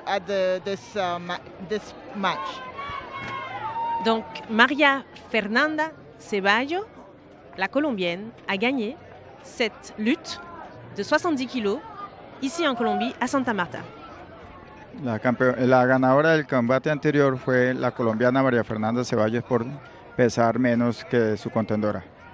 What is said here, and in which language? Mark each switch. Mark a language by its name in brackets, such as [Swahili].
[English] She had the best shots at this match. [French] Donc Maria Fernanda Ceballo, la Colombienne, a gagné cette lutte de 70 kilos ici en Colombie, à Santa Marta. [Spanish] La ganadora del combate anterior fue la colombiana María Fernanda Ceballos por pesar menos que su contendora.